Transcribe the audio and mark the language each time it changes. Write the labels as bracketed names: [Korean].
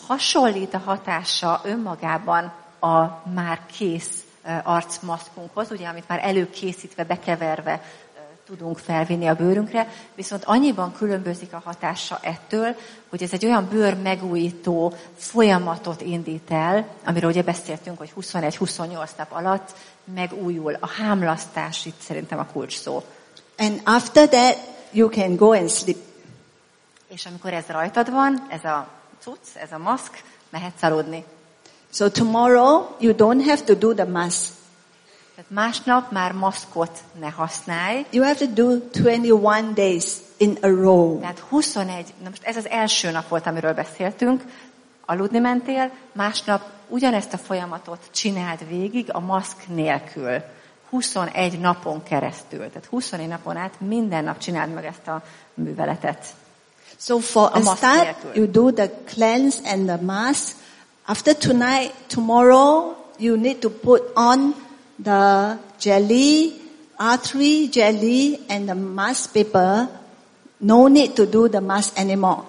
[Hungarian] Hasonlít a hatása önmagában a már kész arcmaszkunkhoz, ugye, amit már előkészítve, bekeverve tudunk felvinni a bőrünkre, viszont annyiban különbözik a hatása ettől, hogy ez egy olyan bőr megújító folyamatot indít el, amiről ugye beszéltünk, hogy 21-28 nap alatt megújul a hámlasztás, itt szerintem a kulcs szó. [English] And after that you can go and sleep. [Hungarian] És amikor ez rajtad van, ez a cucc, ez a maszk, mehetsz aludni. [English] So tomorrow you don't have to do the mask. [Hungarian] Tehát másnap már maszkot ne használj. [English] You have to do 21 days in a row. [Hungarian] Tehát 21, na most ez az első nap volt, amiről beszéltünk, aludni mentél, másnap ugyanezt a folyamatot csináld végig a maszk nélkül. 21 napon keresztül. Tehát 21 napon át minden nap csináld meg ezt a műveletet. [English] So for a start, you do the cleanse and the mask. After tonight, tomorrow, you need to put on the jelly, R3 jelly and the mask paper. No need to do the mask anymore.